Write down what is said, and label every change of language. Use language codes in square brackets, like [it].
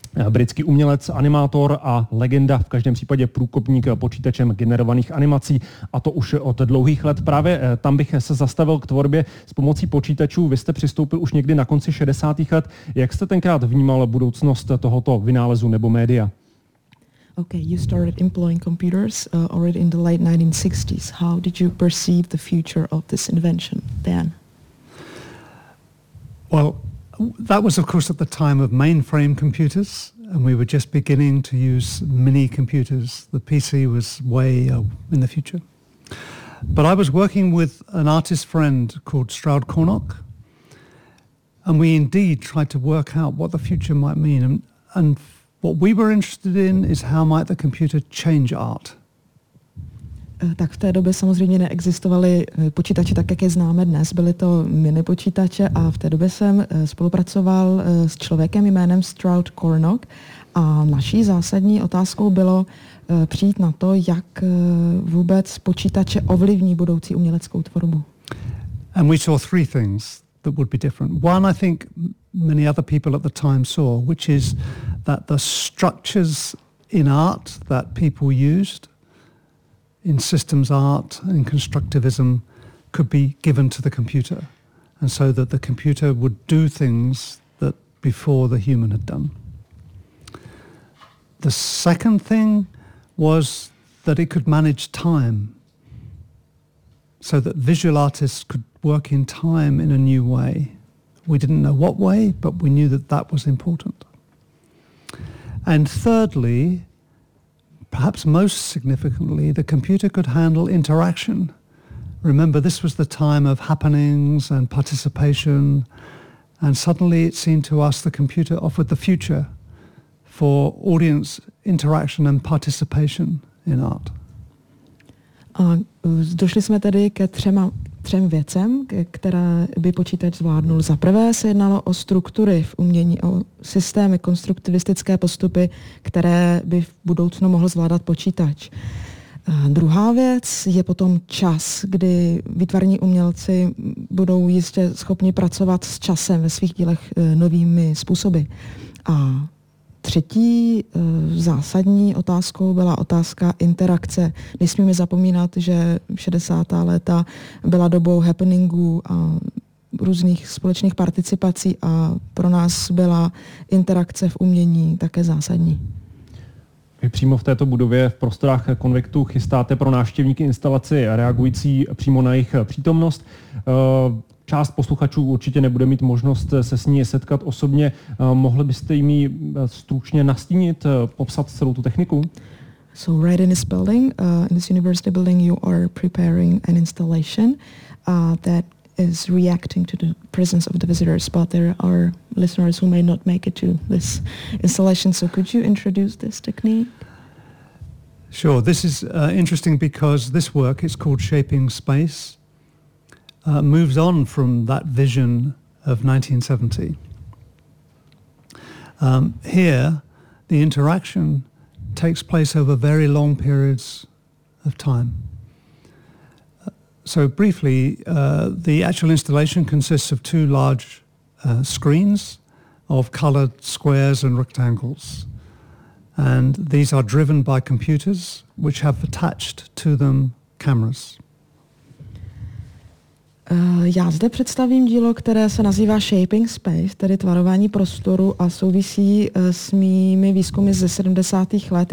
[cs] Britský umělec, animátor a legenda, v každém případě průkopník počítačem generovaných animací, a to už od dlouhých let. Právě tam bych se zastavil k tvorbě s pomocí počítačů. Vy jste přistoupil už někdy na konci 60. let. Jak jste tenkrát vnímal budoucnost tohoto vynálezu nebo média? [en] Okay, you started employing computers already in the late 1960s. How did you perceive the future of this invention then? Well, that was of course at the time of mainframe computers, and we were just beginning to use mini computers. The PC was way in the future. But I was working with an artist friend called Stroud Cornock, and we indeed tried to work out what the future might mean. And what we were interested in is how might the computer change art. [cs] Tak v té době samozřejmě neexistovaly počítače tak, jak je známe dnes. Byly to mini počítače a v té době jsem spolupracoval s člověkem jménem Stroud Cornock a naší zásadní otázkou bylo přijít na to, jak vůbec počítače ovlivní budoucí uměleckou tvorbu. [en] And we saw three things that would be different. One, I think many other people at the time saw, which is that the structures in art that people used in systems art and constructivism could be given to the computer, and so that the computer would do things that before the human had done. The second thing was that it could manage time, so that visual artists could work in time in a new way. We didn't know what way, but we knew that that was important. And thirdly, perhaps most significantly, the computer could handle interaction. Remember, this was the time of happenings and participation, and suddenly it seemed to us the computer offered the future for audience interaction and participation in art. [cs] A došli jsme tedy ke třem věcem, které by počítač zvládnul. Za prvé se jednalo o struktury v umění, o systémy, konstruktivistické postupy, které by v budoucnu mohl zvládat počítač. A druhá věc je potom čas, kdy výtvarní umělci budou jistě schopni pracovat s časem ve svých dílech novými způsoby. A třetí zásadní otázkou byla otázka interakce. Nesmíme zapomínat, že 60. léta byla dobou happeningů a různých společných participací a pro nás byla interakce v umění také zásadní. Vy přímo v této budově v prostorách konvektu chystáte pro návštěvníky instalaci reagující přímo na jejich přítomnost. Část posluchačů určitě nebude mít možnost se s ní setkat osobně. Mohli byste jim ji stručně nastínit, popsat celou tu techniku? [en] So right in this building, in this university building, you are preparing an installation that is reacting to the presence of the visitors, but there are listeners who may not make it to this installation. So could you introduce this technique? Sure. This is interesting because this work is called Shaping Space. Moves on from that vision of 1970. Here, the interaction takes place over very long periods of time. So briefly, the actual installation consists of two large screens of colored squares and rectangles. And these are driven by computers, which have attached to them cameras. [cs] Já zde představím dílo, které se nazývá Shaping Space, tedy tvarování prostoru, a souvisí s mými výzkumy ze 70. let.